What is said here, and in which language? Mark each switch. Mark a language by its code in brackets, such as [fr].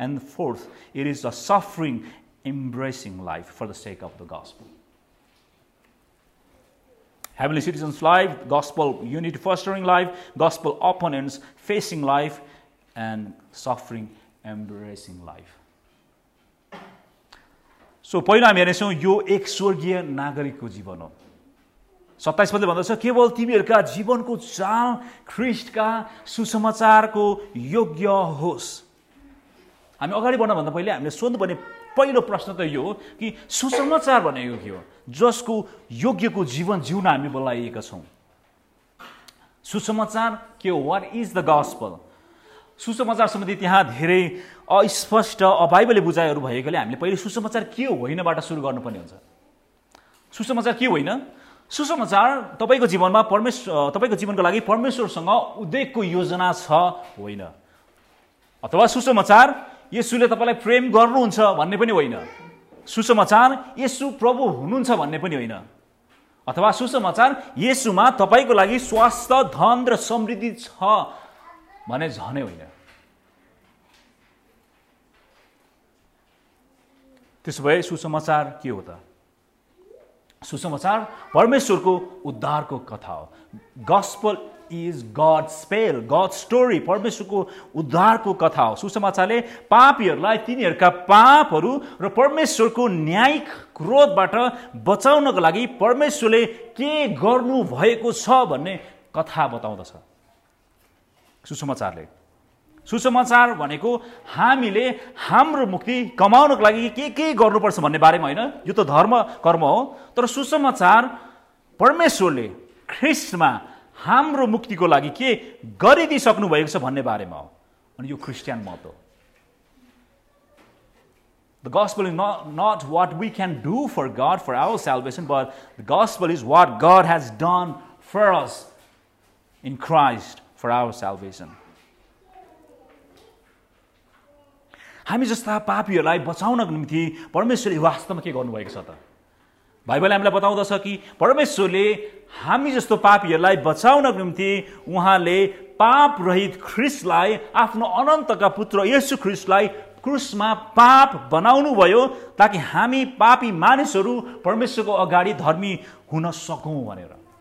[en] And fourth, it is the suffering embracing life for the sake of the gospel. Heavenly citizens' life, gospel unity fostering life, gospel opponents facing life, and suffering embracing life. [ne] So, पहिलो हामी हेर्नेछौँ यो एक स्वर्गीय नागरिकको जीवन हो। 27 पदले भन्दछ, केवल तिमीहरूका जीवनको चाल ख्रिस्टका सुसमाचारको योग्य होस्। हामी अगाडि बढ्नभन्दा पहिले हामीले सोध्नुपर्ने पहिलो प्रश्न त यो हो कि सुसमाचार भनेको के हो, जसको योग्यको जीवन जिउन हामी बोलाइएका छौँ। सुसमाचार के हो? [en] What is the gospel? [ne] सुसमाचार सम्बन्धी त्यहाँ धेरै अस्पष्ट अबाइबली बुझाइहरू भएकोले हामीले पहिले सुसमाचार के होइनबाट सुरु गर्नुपर्ने हुन्छ। सुसमाचार के होइन? सुसमाचार तपाईँको जीवनमा परमेश्वर, तपाईँको जीवनको लागि परमेश्वरसँग उदयको योजना छ होइन, अथवा सुसमाचार येसुले तपाईँलाई प्रेम गर्नुहुन्छ भन्ने पनि होइन, सुसमाचार येसु प्रभु हुनुहुन्छ भन्ने पनि होइन, अथवा सुसमाचार येसुमा तपाईँको लागि स्वास्थ्य धन र समृद्धि छ भने झनै होइन। त्यसो भए सुसमाचार के हो त? सुसमाचार परमेश्वरको उद्धारको कथा हो। [en] gospel is God spell, God story, [ne] परमेश्वरको उद्धारको कथा हो। सुसमाचारले पापीहरूलाई तिनीहरूका पापहरू र परमेश्वरको न्यायिक क्रोधबाट बचाउनको लागि परमेश्वरले के गर्नुभएको छ भन्ने कथा बताउँदछ। सुसमाचारले, सुसमाचार भनेको हामीले हाम्रो मुक्ति कमाउनको लागि के गर्नुपर्छ भन्ने बारेमा होइन, यो त धर्म कर्म हो, तर सुसमाचार परमेश्वरले ख्रिस्टमा हाम्रो मुक्तिको लागि के गरिदिइसक्नु भएको छ भन्ने बारेमा हो। अनि यो क्रिस्चियन मत हो। [en] The gospel is not what we can do for God for our salvation, but the gospel is what God has done for us in Christ for our salvation. [ne] हामी जस्ता पापीहरूलाई बचाउनको निम्ति परमेश्वरले वास्तवमा के गर्नुभएको छ त? बाइबल हामीलाई बताउँदछ कि परमेश्वरले हामी जस्तो पापीहरूलाई बचाउनको निम्ति उहाँले पाप रहित ख्रीष्टलाई, आफ्नो अनन्तका पुत्र येशु ख्रीष्टलाई क्रुसमा पाप बनाउनु भयो, ताकि हामी पापी मानिसहरू परमेश्वरको अगाडि धर्मी हुन सकौँ भनेर.